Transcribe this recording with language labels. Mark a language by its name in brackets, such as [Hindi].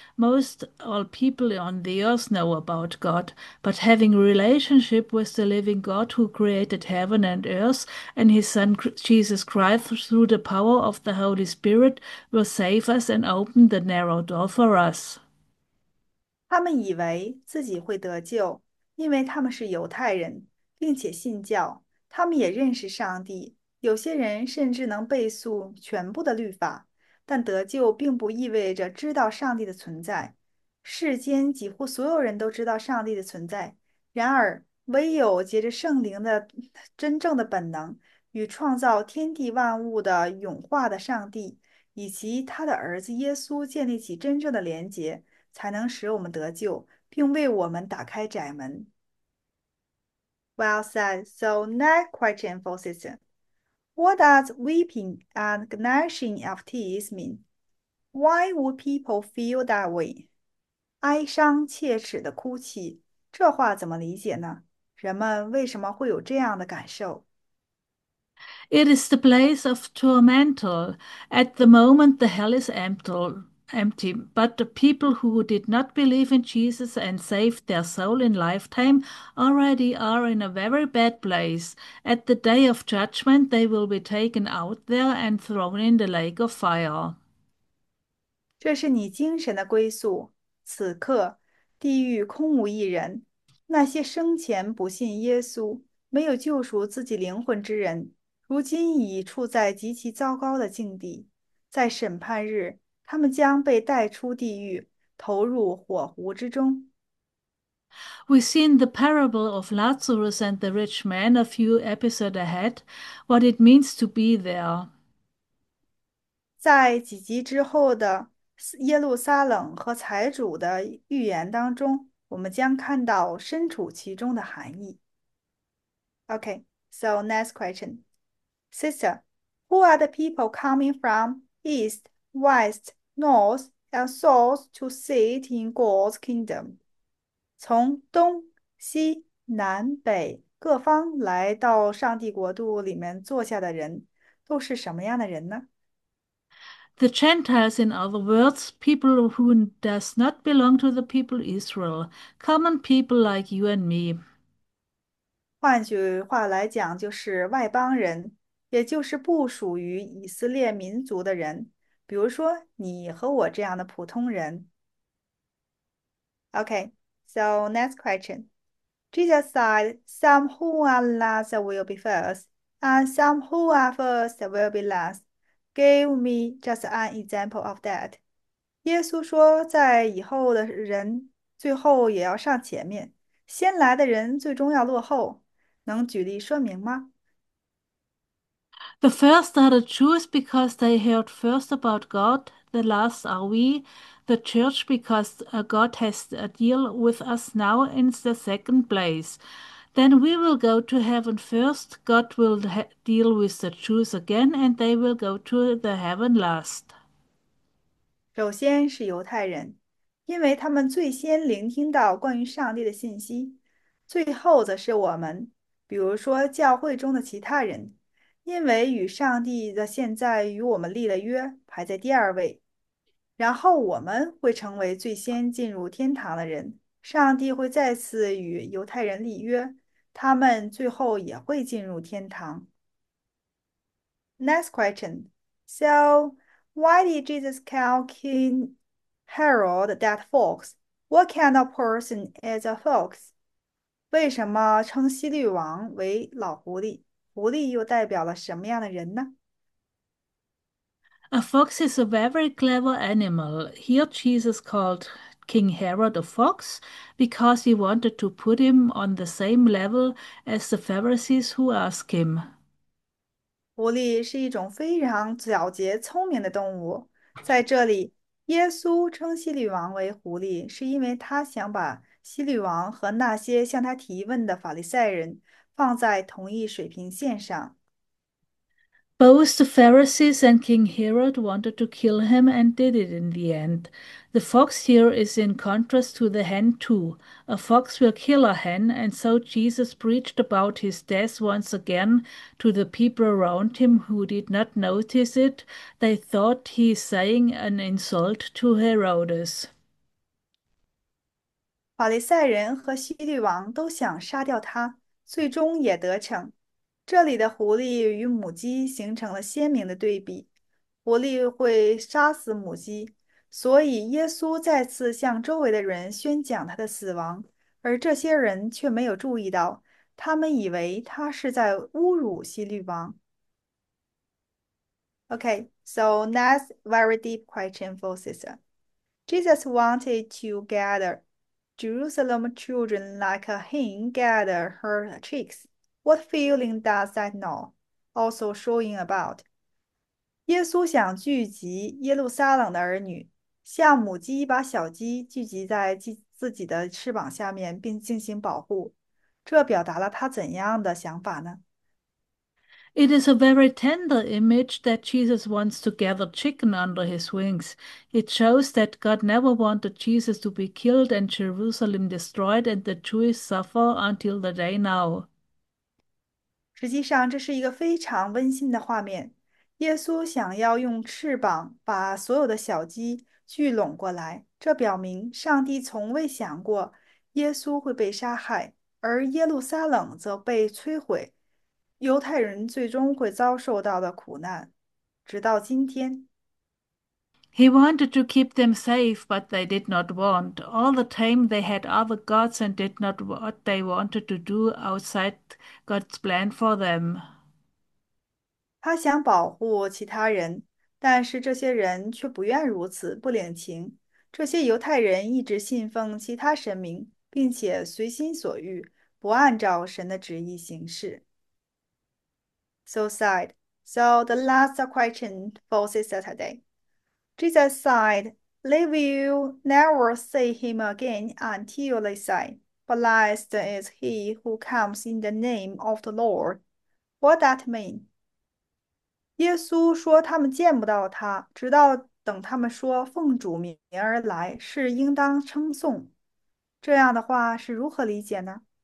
[English] Most all people on the earth know about God, but having relationship with the living God who created heaven and earth and his son Jesus Christ through the power of the Holy Spirit will save us and open the narrow door for us. [Chinese] 他们以为自己会得救，因为他们是犹太人，并且信教，他们也认识上帝。有些人甚至能背诵全部的律法，但得救并不意味着知道上帝的存在。世间几乎所有人都知道上帝的存在，然而唯有藉着圣灵的真正的本能与创造天地万物的永化的上帝，以及他的儿子耶稣建立起真正的连结。才能使我们得救，并为我们打开窄门。 [English] Well said. So next question for sister. What does weeping and gnashing of teeth mean? Why would people feel that way? [Chinese] 哀伤切齿的哭泣，这话怎么理解呢？人们为什么会有这样的感受？ [English] It is the place of tormental. At the moment, the hell is empty, but the people who did not believe in Jesus and saved their soul in lifetime already are in a very bad place. At the day of judgment, they will be taken out there and thrown in the lake of fire. [Chinese] 这是你精神的归宿。此刻，地狱空无一人。那些生前不信耶稣、没有救赎自己灵魂之人，如今已处在极其糟糕的境地。在审判日，他们将被带出地狱，投入火湖之中。 [English] We've seen the parable of Lazarus and the rich man a few episodes ahead, what it means to be there. [Chinese] 在几集之后的。耶路撒冷和财主的预言当中，我们将看到身处其中的含义。 [English] Okay, so next question. Sister, who are the people coming from east, west, north, and south to sit in God's kingdom? [Chinese] 从东西南北各方来到上帝国度里面坐下的人，都是什么样的人呢？ [English] The Gentiles, in other words, people who does not belong to the people Israel, common people like you and me. [Chinese] 换句话来讲，就是外邦人，也就是不属于以色列民族的人，比如说你和我这样的普通人。 [English] Okay, so next question. Jesus said, "Some who are last will be first, and some who are first will be last." Give me just an example of that. [Chinese] 耶稣说，在以后的人最后也要上前面，先来的人最终要落后。能举例说明吗？ [English] The first are the Jews because they heard first about God, the last are we, the church, because God has a deal with us now in the second place. Then we will go to heaven first. God will ha deal with the Jews again, and they will go to the heaven last. [Chinese] 首先是犹太人，因为他们最先聆听到关于上帝的信息，最后则是我们，比如说教会中的其他人，因为与上帝的现在与我们立了约，排在第二位，然后我们会成为最先进入天堂的人，上帝会再次与犹太人立约，他们最后也会进入天堂。 [English] Next question. So, why did Jesus call King Herod that fox? What kind of person is a fox? [Chinese] 为什么称希律王为老狐狸？狐狸又代表了什么样的人呢？ [English] A fox is a very clever animal. Here Jesus called King Herod a fox because he wanted to put him on the same level as the Pharisees who asked him. [Chinese] 狐狸是一种非常狡猾聪明的动物，在这里，耶稣称希律王为狐狸，是因为他想把希律王和那些向他提问的法利赛人放在同一水平线上。 [English] Both the Pharisees and King Herod wanted to kill him and did it in the end. The fox here is in contrast to the hen, too. A fox will kill a hen, and so Jesus preached about his death once again to the people around him who did not notice it. They thought he's saying an insult to Herodias. [Chinese] 法利赛人和希律王都想杀掉他，最终也得逞。这里的狐狸与母鸡形成了鲜明的对比，狐狸会杀死母鸡，所以耶稣再次向周围的人宣讲他的死亡，而这些人却没有注意到，他们以为他是在侮辱希律王。 [English] OK，so next very deep question for sister. Jesus wanted to gather Jerusalem children like a hen gather her chicks. What feeling does that now also showing about? [Chinese] 耶稣想聚集耶路撒冷的儿女，像母鸡把小鸡聚集在自己的翅膀下面，并进行保护。这表达了他怎样的想法呢？ [English] It is a very tender image that Jesus wants to gather chicken under his wings. It shows that God never wanted Jesus to be killed and Jerusalem destroyed and the Jews suffer until the day now. [Chinese] 实际上，这是一个非常温馨的画面。耶稣想要用翅膀把所有的小鸡聚拢过来，这表明上帝从未想过耶稣会被杀害，而耶路撒冷则被摧毁，犹太人最终会遭受到的苦难，直到今天。 [English] He wanted to keep them safe, but they did not want. All the time they had other gods and did not what they wanted to do outside God's plan for them. [Chinese] 他想保护其他人，但是这些人却不愿如此，不领情。这些犹太人一直信奉其他神明，并且随心所欲，不按照神的旨意行事。 [English] So sad. So the last question for sister today. Jesus said, "They will never see him again until they say, 'Blessed is he who comes in the name of the Lord.'" What that mean? [Chinese] 耶稣说："他们见不到他，直到等他们说‘奉主名而来，是应当称颂’。" 这样的话是如何理解呢？